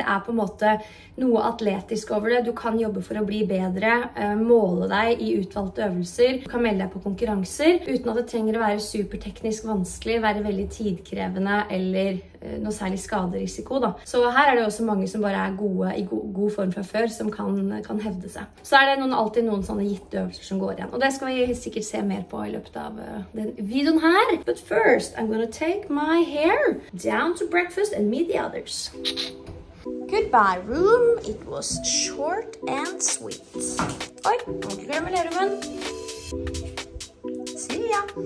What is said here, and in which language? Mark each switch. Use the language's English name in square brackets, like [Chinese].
[Norwegian] Det er på en måte noe atletisk over det. Du kan jobbe for å bli bedre, måle deg i utvalgte øvelser, du kan melde deg på konkurranser, uten at det trenger å være superteknisk vanskelig, være veldig tidkrevende eller noe særlig skaderisiko da. Så her er det også mange som bare er gode, i god form fra før, som kan hevde seg. Så er det alltid noen sånne gitte øvelser som går igjen. Og det skal vi sikkert se mer på i løpet av den videoen her. [English] But first, I'm gonna take my hair down to breakfast and meet the others. Goodbye room, it was short and sweet. [Norwegian] Oi, må ikke glemme lærerommen. [English] See ya.